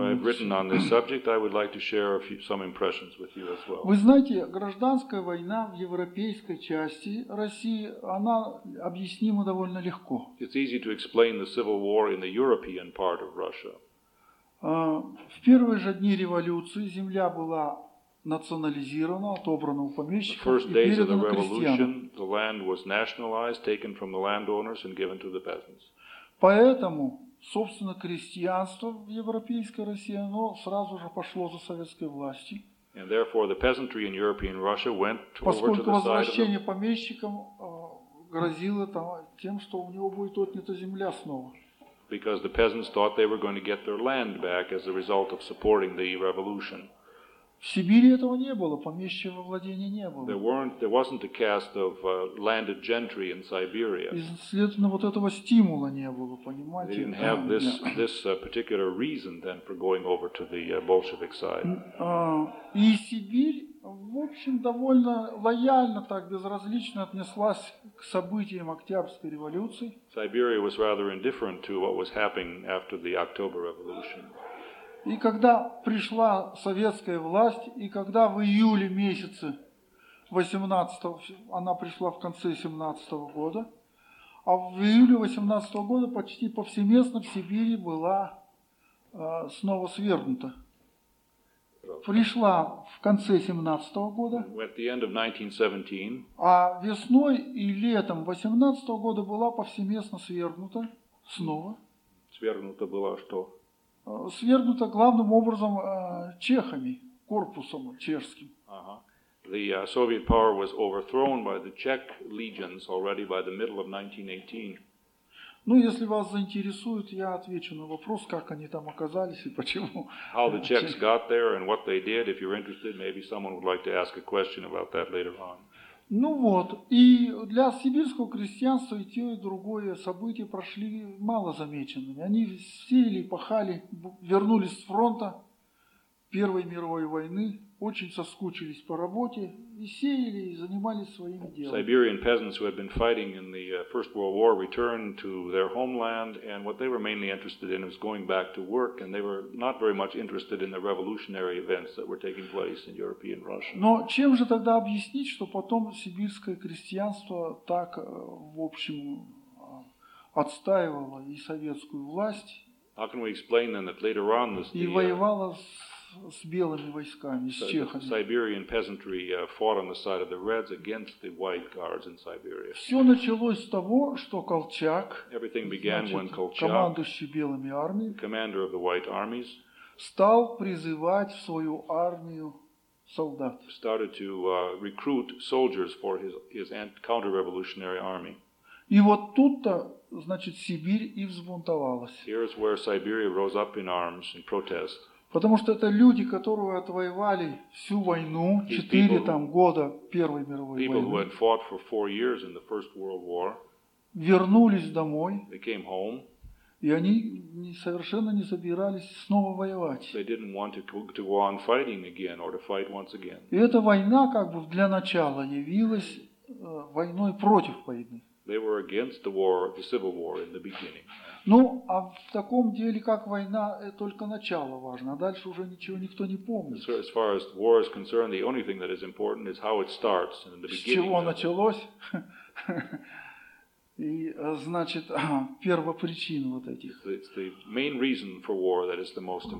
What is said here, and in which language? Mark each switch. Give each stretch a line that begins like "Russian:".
English: What I've written on this subject, I would like to share some impressions with you as well.
Russian: Вы знаете, гражданская война в европейской части России, она объяснима довольно легко.
English: It's easy to explain the civil war in the European part of Russia.
Russian: В первые же дни революции земля была национализировано, отобрано у помещиков и передано крестьянам.
English: The first days of the revolution, the land was nationalized, taken from the landowners and given to the peasants.
Russian: Поэтому, собственно, крестьянство в европейской России, оно сразу же пошло за советской властью.
English: And therefore the peasantry in European Russia went over to the side of the...
Russian: Поскольку возвращение помещикам грозило тем, что у него будет отнята земля снова.
English: Because the peasants thought they were going to get their land back as a result of supporting the revolution.
Russian: В Сибири этого не было, помещичьего владения не было.
English: There wasn't a caste of landed gentry in Siberia.
Russian: И, следовательно, вот этого стимула не было, понимаете?
English: They didn't have this particular reason then for going over to the Bolshevik side.
Russian: И Сибирь, в общем, довольно лояльно, так безразлично отнеслась к событиям Октябрьской революции.
English: Siberia was rather indifferent to what was happening after the October Revolution.
Russian: И когда пришла советская власть, и когда в июле месяце 18-го, она пришла в конце 17-го года, а в июле 18-го года почти повсеместно в Сибири была снова свергнута. Пришла в конце 17-го года,
English: at the end of 1917,
Russian: а весной и летом 18-го года была повсеместно свергнута снова. Свергнута была что? Свергнута главным образом чехами, корпусом чешским.
English: The Soviet power was overthrown by the Czech legions already by the middle of 1918.
Russian: Ну, если вас заинтересует, я отвечу на вопрос, как они там оказались и почему.
English: How the Czechs got there and what they did, if you're interested, maybe someone would like to ask a question about that later on.
Russian: Ну вот, и для сибирского крестьянства и те, и другое события прошли малозамеченными. Они сеяли, пахали, вернулись с фронта Первой мировой войны, очень соскучились по работе, и сеяли, и занимались своими делами.
English: Siberian peasants who had been fighting in the First World War returned to their homeland, and what they were mainly interested in was going back to work, and they were not very much interested in the revolutionary events that were taking place in European Russia.
Russian: Но чем же тогда объяснить, что потом сибирское крестьянство так, в общем, отстаивало и советскую власть?
English: How can we explain then that later on this
Russian: и воевало с белыми войсками, с чехами.
English: Siberian peasantry fought on the side of the Reds against the White Guards in Siberia.
Russian: Все началось с того, что Колчак,
English: everything began
Russian: значит,
English: when Kolchak,
Russian: командующий белыми армиями,
English: the commander of the White Armies,
Russian: стал призывать в свою армию солдат.
English: Started to recruit soldiers for his counter-revolutionary army.
Russian: И вот тут-то, значит, Сибирь и взбунтовалась.
English: Here's where Siberia rose up in arms in protest.
Russian: Потому что это люди, которые отвоевали всю войну, четыре там года Первой мировой
English: people,
Russian: войны,
English: who had fought for four years in the First World War,
Russian: вернулись домой,
English: they came home,
Russian: и они совершенно не собирались снова воевать.
English: They didn't want to go on fighting again or to fight once again.
Russian: И эта война как бы для начала явилась войной против войны.
English: They were against the war, the civil war in the beginning.
Russian: Ну, а в таком деле, как война, только начало важно, а дальше уже ничего никто не помнит.
English: As far as war is concerned, the only thing that is important is how it starts in the beginning.
Russian: С чего началось? И, значит, первопричина вот этих.
English: It's the main reason for war that is the most important.